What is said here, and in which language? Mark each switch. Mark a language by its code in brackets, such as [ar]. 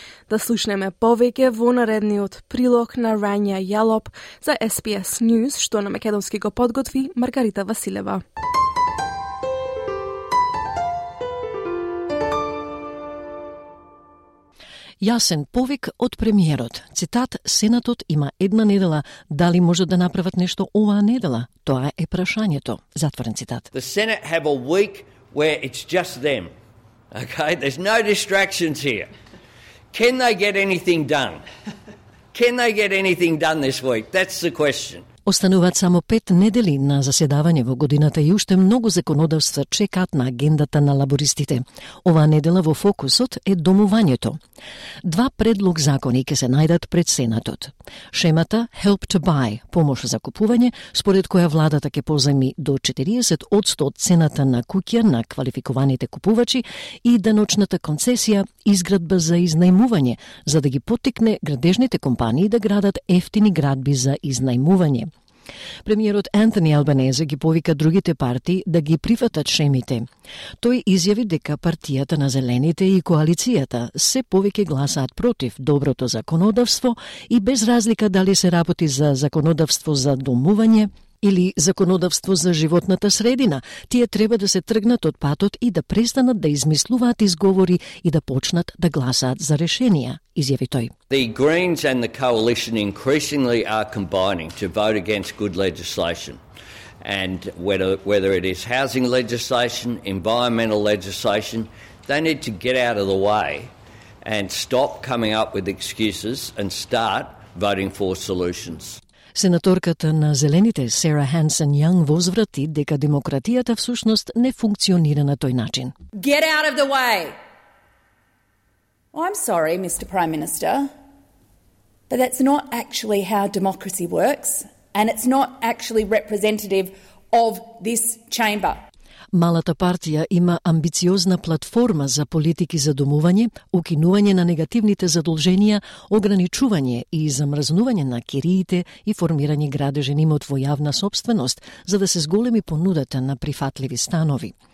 [mk] Да слушнеме повеќе во наредниот прилог на Рања Јалоп за SBS News, што на Македонски го подготви Маргарита Василева. Јасен повик од премиерот. Цитат, Сенатот има една недела. Дали може да направат нешто оваа недела? Тоа е прашањето. Затворен цитат. [en] The Senate have a week where it's just them. Okay, there's no distractions here. Can they get anything done? Can they get anything done this week? That's the question. [mk] Остануваат само 5 недели на заседавање во годината и уште многу законодавства чекаат на агендата на лабористите. Оваа недела во фокусот е домувањето. Два предлог закони ќе се најдат пред Сенатот. Шемата Help to Buy, помош за купување, според која владата ќе поземи до 40% од цената на куќа на квалификуваните купувачи и даночната концесија изградба за изнајмување, за да ги потикне градежните компании да градат ефтини градби за изнајмување. Премиерот Антони Албанезе ги повика другите партии да ги прифатат шемите. Тој изјави дека партијата на Зелените и коалицијата се повеќе гласаат против доброто законодавство и без разлика дали се работи за законодавство за домување или законодавство за животната средина, тие треба да се тргнат од патот и да престанат да измислуваат изговори и да почнат да гласаат за решенија, изјави тој. [en] The Greens and the Coalition increasingly are combining to vote against good legislation. And whether it is housing legislation, environmental legislation, they need to get out of the way and stop coming up with excuses and start voting for solutions. [mk] Сенаторката на Зелените Сера Хансен Јанг возврати дека демократијата всушност не функционира на тој начин. [en] Get out of the way. I'm sorry, Mr. Prime Minister, but that's not actually how democracy works, and it's not actually representative of this chamber. [mk] Малата партија има амбициозна платформа за политики за домување, укинување на негативните задолженија, ограничување и замрзнување на кириите и формирање градежен имот во јавна собственост, за да се зголеми понудата на прифатливи станови.